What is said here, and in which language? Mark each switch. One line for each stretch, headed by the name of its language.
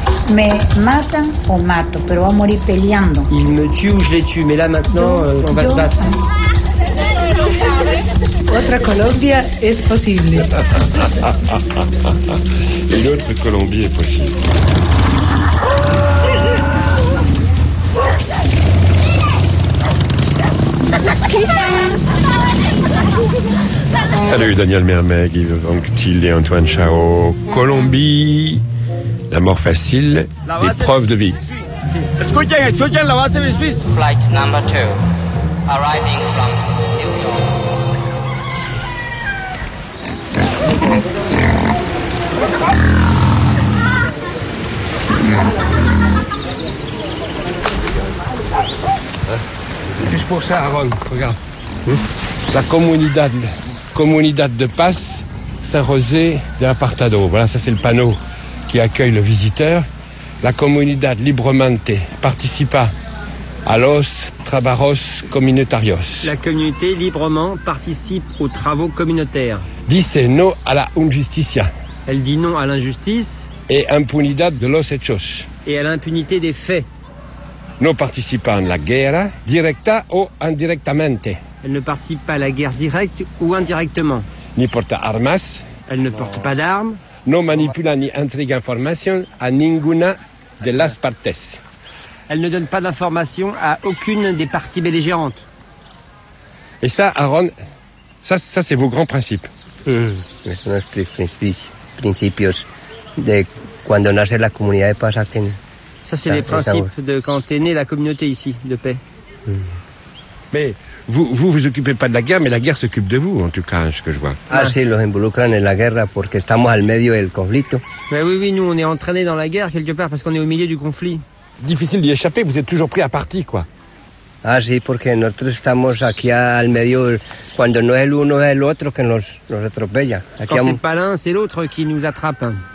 Spanish: Me matan o mato, pero voy a morir peleando.
French: Il me tue ou je les tue, mais là maintenant, on va se battre.
Spanish: Otra Colombia es posible.
French: Une autre Colombie est possible. Salut Daniel Mermet, Guy Vanctil et Antoine Chao. Colombie, la mort facile, l'épreuve de vie.
Spanish: Escuchen, escuchen la base de Suisse.
English: Flight number 2, arriving from New York.
French: Juste pour ça, Aaron, regarde.
Spanish: La comunidad de Paz, San José de Apartado.
French: Voilà, ça c'est le panneau qui accueille le visiteur.
Spanish: La comunidad libremente participa a los trabajos comunitarios.
French: La communauté librement participe aux travaux communautaires.
Spanish: Dice no a la injusticia.
French: Elle dit non à l'injustice. Et
Spanish: impunidad de los hechos.
French: Et à l'impunité des faits.
Spanish: No participa en la guerra, directa o indirectamente.
French: Elle ne participe pas à la guerre directe ou indirectement.
Spanish: Ni porta armas.
French: Elle ne porte pas d'armes.
Spanish: No manipula ni intriga información a ninguna de las partes.
French: Elle ne donne pas d'informations à aucune des parties belligérantes. Et ça, Aaron, ça c'est vos grands principes. Mmh. Ce sont les principes de
Spanish: cuando nace la comunidad de paz aquí en...
French: Ça, c'est les principes de quand est née la communauté ici, de paix. Mais vous ne vous occupez pas de la guerre, mais la guerre s'occupe de vous, en tout cas, ce que je vois.
Spanish: Ah, si, los involucran en la guerra porque estamos al medio del conflicto.
French: Mais oui, oui, nous, on est entraînés dans la guerre, quelque part, parce qu'on est au milieu du conflit. Difficile d'y échapper, vous êtes toujours pris à partie, quoi.
Spanish: Ah, si, porque nosotros estamos aquí al medio, cuando no es el uno, es el otro que nos atropella. Aquí
French: quand c'est pas l'un, c'est l'autre qui nous attrape.